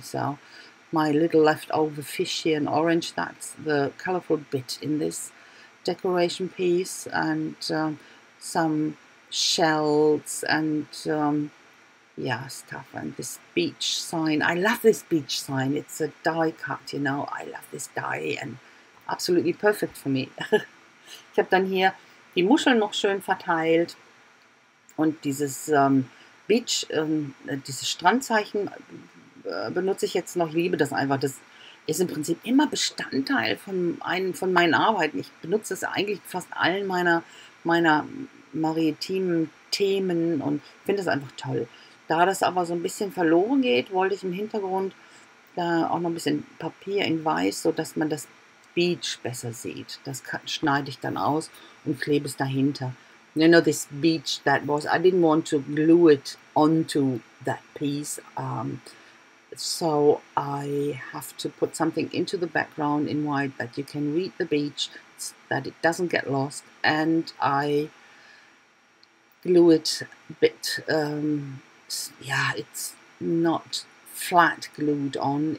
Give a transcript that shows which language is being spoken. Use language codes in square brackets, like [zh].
[en] So my little leftover fish here in orange, that's the colorful bit in this decoration piece, and some shells and yeah, stuff, and this beach sign. I love this beach sign. It's a die cut, you know. I love this die and absolutely perfect for me. [de] Ich habe dann hier die Muscheln noch schön verteilt und dieses Beach, dieses Strandzeichen benutze ich jetzt noch, liebe das einfach. Das ist im Prinzip immer Bestandteil von meinen Arbeiten. Ich benutze es eigentlich fast allen meiner maritimen Themen und finde es einfach toll. Da das aber so ein bisschen verloren geht, wollte ich im Hintergrund da auch noch ein bisschen Papier in Weiß, sodass man das Beach besser sieht. Das schneide ich dann aus und klebe es dahinter. [en] You know, this beach that was, I didn't want to glue it onto that piece. So I have to put something into the background in white that you can read the beach, that it doesn't get lost. And I glue it a bit, yeah, it's not flat glued on.